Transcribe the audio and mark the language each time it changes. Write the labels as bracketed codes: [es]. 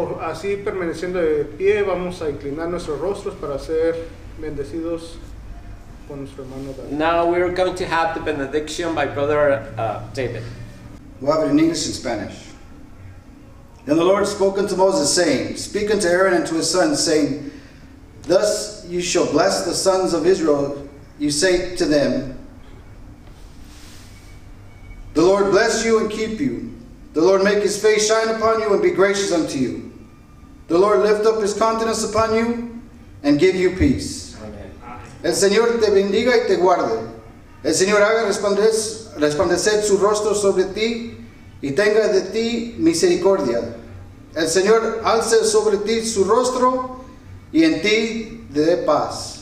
[es] Así permaneciendo de pie, vamos a inclinar nuestros rostros para ser bendecidos por nuestro hermano David. [en] Now we are going to have the benediction by brother David. We'll have it in English and Spanish. Then the Lord spoke unto Moses, saying, Speak unto Aaron and to his sons, saying, Thus you shall bless the sons of Israel. You say to them, The Lord bless you and keep you. The Lord make his face shine upon you and be gracious unto you. The Lord lift up his countenance upon you and give you peace. Amen. [es] El Señor te bendiga y te guarde. El Señor haga resplandecer su rostro sobre ti y tenga de ti misericordia. El Señor alce sobre ti su rostro y en ti dé paz.